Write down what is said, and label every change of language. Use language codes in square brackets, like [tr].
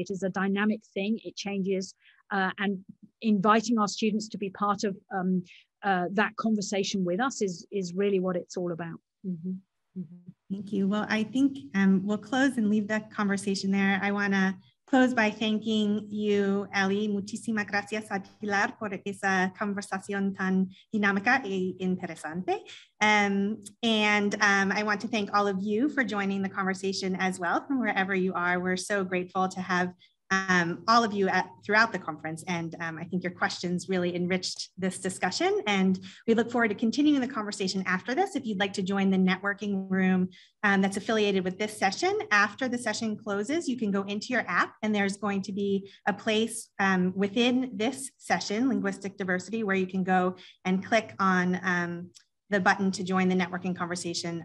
[en] It is a dynamic thing. It changes. And inviting our students to be part of that conversation with us is really what it's all about. Mm-hmm. Thank you. Well, I think we'll close and leave that conversation there. I want to close by thanking you, Ellie. [es] Muchísimas gracias a Pilar por esa conversación tan dinámica e interesante. [en] I want to thank all of you for joining the conversation as well from wherever you are. We're so grateful to have all of you throughout the conference. And I think your questions really enriched this discussion. And we look forward to continuing the conversation after this. If you'd like to join the networking room that's affiliated with this session, after the session closes, you can go into your app, and there's going to be a place within this session, Linguistic Diversity, where you can go and click on the button to join the networking conversation.